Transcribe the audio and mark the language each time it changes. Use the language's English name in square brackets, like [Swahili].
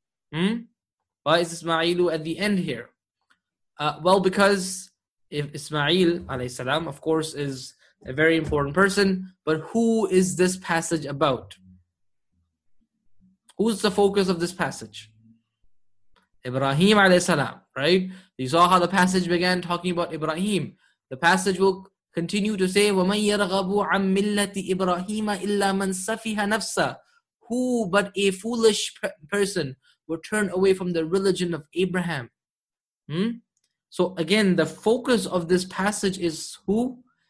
[English] Why is Ismailu at the end here? Well, because if Ismail alayhi salam, of course, is a very important person, but who is this passage about? Who's the focus of this passage? Ibrahim alayhi salam, right? You saw how the passage began talking about Ibrahim. The passage will continue to say, [Arabic] وَمَنْ يَرْغَبُ عَمْ مِلَّةِ إِبْرَاهِيمَ إِلَّا مَنْ سَفِهَ نَفْسَهُ. [English] Who but a foolish person will turn away from the religion of Abraham? So again, the focus of this passage is who?